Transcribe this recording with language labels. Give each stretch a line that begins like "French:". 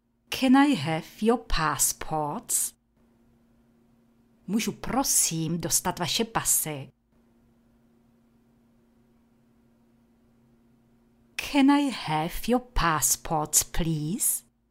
English: Can I have your passports?
Czech: Můžu prosím dostat vaše pasy?
English: Can I have your passports, please?